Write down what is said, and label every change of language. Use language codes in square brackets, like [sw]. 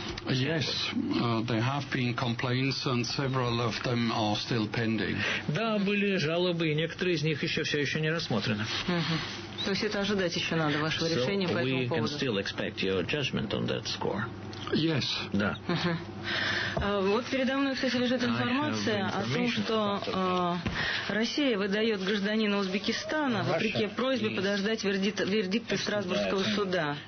[en] Yes, there have been complaints, and several of them are still pending. [ru] Да, были жалобы, и некоторые из них еще не рассмотрены. То есть это ожидать еще надо вашего решения по этому поводу. [en] So we can still expect your judgment on that score. Yes. [ru] Да. Вот передо мной, кстати, лежит информация о том, что Россия выдает гражданину Узбекистана, вопреки просьбе подождать вердикта Страсбургского суда.